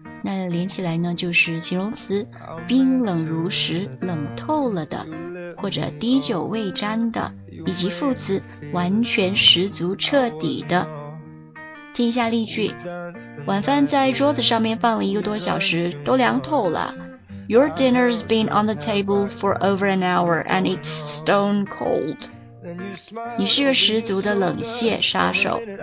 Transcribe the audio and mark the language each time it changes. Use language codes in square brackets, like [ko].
[zh] 那连起来呢，就是形容词，冰冷如石，冷透了的，或者滴酒未沾的，以及副词，完全十足彻底的。听一下例句，晚饭在桌子上面放了一个多小时，都凉透了。 [en] Your dinner's been on the table for over an hour and it's stone cold. [zh] 你是个十足的冷血杀手。